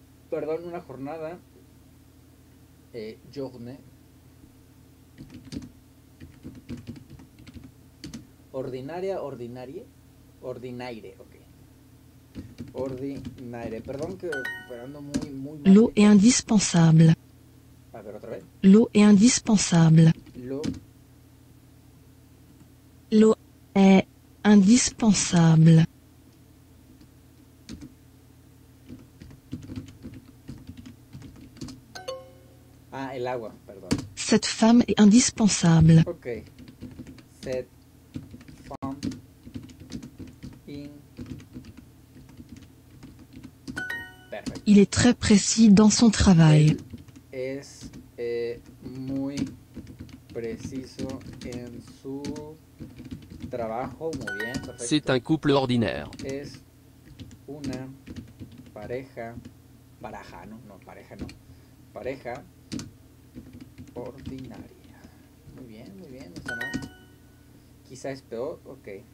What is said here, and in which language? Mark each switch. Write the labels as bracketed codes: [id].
[es] Perdón, una jornada. Journée. Ordinaria, ordinarie, ordinaire, ok. Ordinaire, perdón que ando muy, muy mal. [fr] L'eau est indispensable. [es] A ver, otra vez. [fr] L'eau est indispensable. L'eau est indispensable. [es] Ah, el agua, perdón. [fr] Cette femme est indispensable. Ok. Cette femme [en] Perfect. [fr] Il est très précis dans son travail. [es] Es muy preciso en su trabajo. Muy bien, perfecto. [fr] C'est un couple ordinaire. [es] Es una pareja. Baraja, no, no, pareja no. Pareja. Ordinaria. Muy bien, no está mal. Quizá es peor, ok.